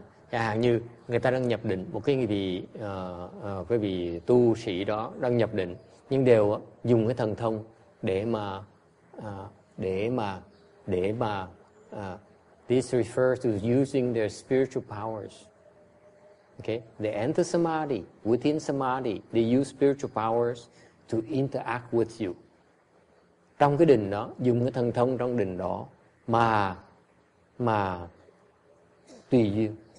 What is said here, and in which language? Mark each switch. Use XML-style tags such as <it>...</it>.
<vi>Chẳng hạn như người ta đang nhập định, một cái người vị tu sĩ đó đang nhập định, nhưng đều dùng cái thần thông để mà</vi> <en>this refers to using their spiritual powers. Okay, they enter samadhi. Within samadhi, they use spiritual powers to interact with you.</en> <vi>Trong cái đình đó, dùng cái thần thông trong đình đó mà tùy duyên.</vi>